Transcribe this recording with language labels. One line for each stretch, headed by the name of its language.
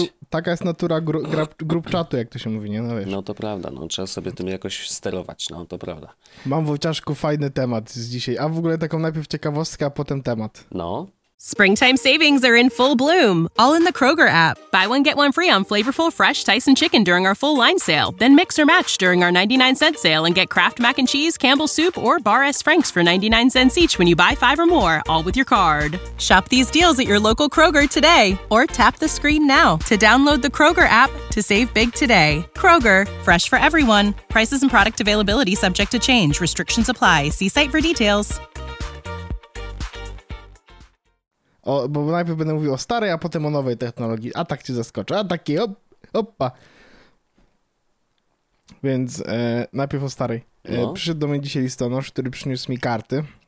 Polish: Taka jest natura grup czatu, jak to się mówi, nie? No, wiesz. No to prawda, no trzeba sobie tym jakoś sterować, no to prawda. Mam w ociaszku fajny temat z dzisiaj, a w ogóle taką najpierw ciekawostkę, a potem temat. No.
English: Springtime savings are in full bloom, all in the Kroger app. Buy one, get one free on flavorful fresh Tyson chicken during our full line sale. Then mix or match during our 99 cent sale and get Kraft mac and cheese, Campbell's soup, or Bar S Franks for 99 cents each when you buy five or more, all with your card. Shop these deals at your local Kroger today, or tap the screen now to download the Kroger app to save big today. Kroger, fresh for everyone. Prices and product availability subject to change. Restrictions apply. See site for details.
Polish: O, bo najpierw będę mówił o starej, a potem o nowej technologii. A tak cię zaskoczę. A taki, opa. Więc najpierw o starej. No. Przyszedł do mnie dzisiaj listonosz, który przyniósł mi karty.